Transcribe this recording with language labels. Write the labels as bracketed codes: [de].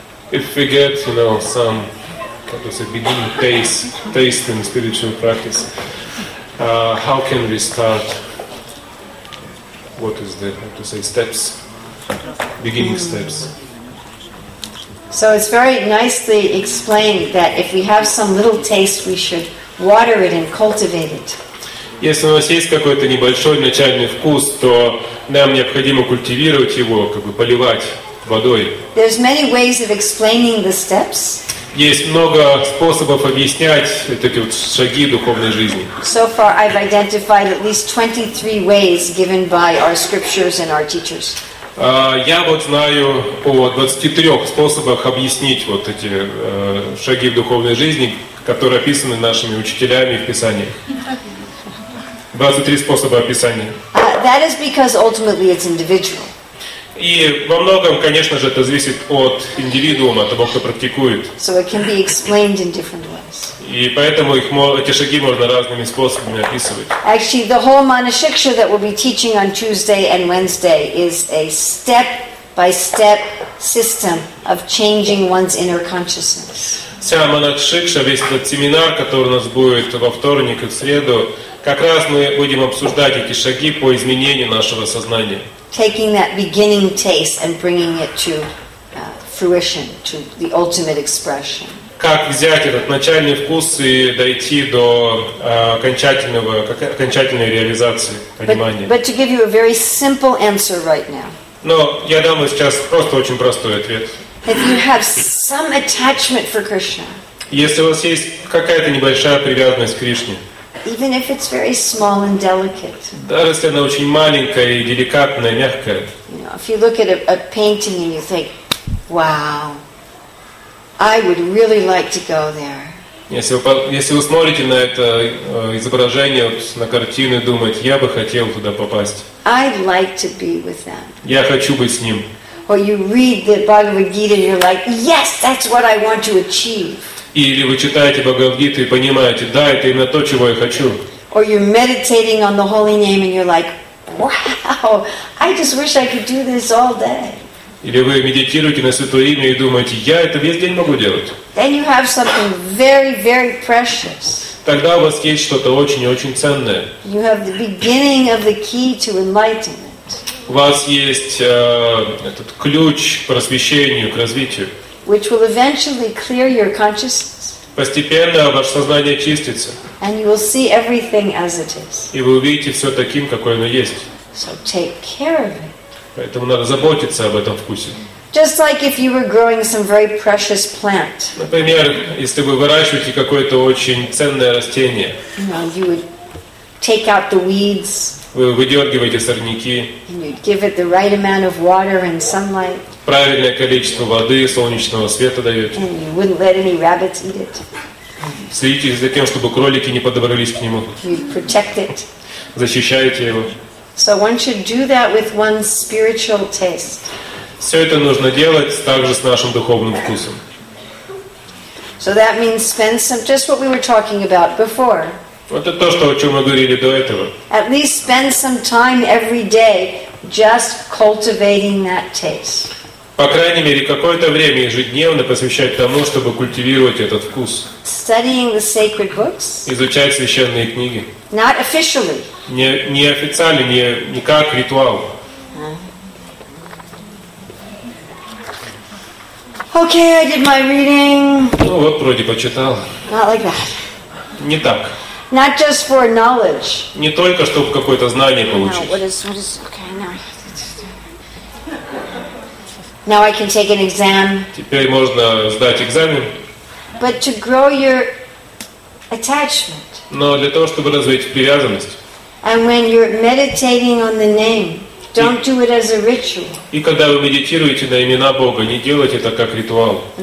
[en] If we get, you know, some, what was it, beginning taste in spiritual practice, how can we start? What is the, how to say, steps, beginning steps? So it's very nicely explained that if we have some little taste, we should water it and cultivate it. [ru] Если у нас есть какой-то небольшой начальный вкус, то нам необходимо культивировать его, как бы поливать водой. [en] There's many ways of explaining the steps. [ru] Есть много способов объяснять эти вот шаги духовной жизни. [en] So far, I've identified at least 23 ways given by our scriptures and our teachers. [ru] Я вот знаю о 23 способах объяснить вот эти шаги в духовной жизни, которые описаны нашими учителями в Писании. 23 способа описания. [en] That is because ultimately it's individual. [ru] И во многом, конечно же, это зависит от индивидуума, того, кто практикует. [en] So it can be explained in different ways. [ru] И поэтому их, эти шаги можно разными способами описывать. [en] Actually, the whole Manushiksha that we'll be teaching on Tuesday and Wednesday is a step-by-step system of changing one's inner consciousness. [ru] Вся Манашикша, весь этот семинар, который у нас будет во вторник и в среду, как раз мы будем обсуждать эти шаги по изменению нашего сознания. [en] Taking that beginning taste and bringing it to fruition, to the ultimate expression. [ru] Как взять этот начальный вкус и дойти до окончательной реализации понимания. [en] But to give you a very simple answer right now. [ru] Но я дам вам сейчас просто очень простой ответ. [en] If you have some attachment for Krishna. [ru] Если у вас есть какая-то небольшая привязанность к Кришне. [en] Even if it's very small and delicate. [ru] Даже если она очень маленькая и деликатная, мягкая. [en] You know, if you look at a painting and you think, wow. I would really like to go there. [ru] Если вы смотрите на это изображение, вот, на картину, думать, я бы хотел туда попасть. [en] I'd like to be with them. [ru] Я хочу быть с ним. [en] Or you read the Bhagavad Gita and you're like, yes, that's what I want to achieve. [ru] Или вы читаете Бхагавад Гиту и понимаете, да, это именно то, чего я хочу. [en] Or you're meditating on the holy name and you're like, wow, I just wish I could do this all day. [ru] Или вы медитируете на Святое Имя и думаете, я это весь день могу делать. [en] Then you have something very, very precious. [ru] Тогда у вас есть что-то очень и очень ценное. [en] You have the beginning of the key to enlightenment. [ru] У вас есть этот ключ к просвещению, к развитию. [en] Which will eventually clear your consciousness. [ru] Постепенно ваше сознание чистится. [en] And you will see everything as it is. [ru] И вы увидите все таким, какое оно есть. [en] So take care of it. [ru] Поэтому надо заботиться об этом вкусе. [en] Just like if you were growing some very precious plant. [ru] Например, если вы выращиваете какое-то очень ценное растение. [en] You know, you would take out the weeds. [ru] Вы выдергиваете сорняки. [en] And you'd give it the right amount of water and sunlight. [ru] Правильное количество воды, солнечного света даете. [en] And you wouldn't let any rabbits eat it. [ru] Следите за тем, чтобы кролики не подобрались к нему. [en] You protect it. [ru] Защищайте его. [en] So one should do that with one's spiritual taste. [ru] Все это нужно делать также с нашим духовным вкусом. [en] So that means spend some, just what we were talking about before. [ru] Вот это то, что, о чем мы говорили до этого. [en] At least spend some time every day just cultivating that taste. [ru] По крайней мере, какое-то время ежедневно посвящать тому, чтобы культивировать этот вкус. [en] Studying the sacred books. [ru] Изучать священные книги. [en] Not officially. [ru] Не официально, не как ритуал. [en] Okay, I did my reading. [ru] Ну вот, вроде почитал. [en] Not like that. [ru] Не так. [en] Not just for knowledge. [ru] Не только чтобы какое-то знание получить. [en] No, what is okay now? Now I can take an exam. [ru] Теперь можно сдать экзамен. [en] But to grow your attachment. [ru] Но для того, чтобы развить привязанность. [en] And when you're meditating on the name, don't do it as a ritual. [ru] И когда вы медитируете на имена Бога, не делайте это как ритуал.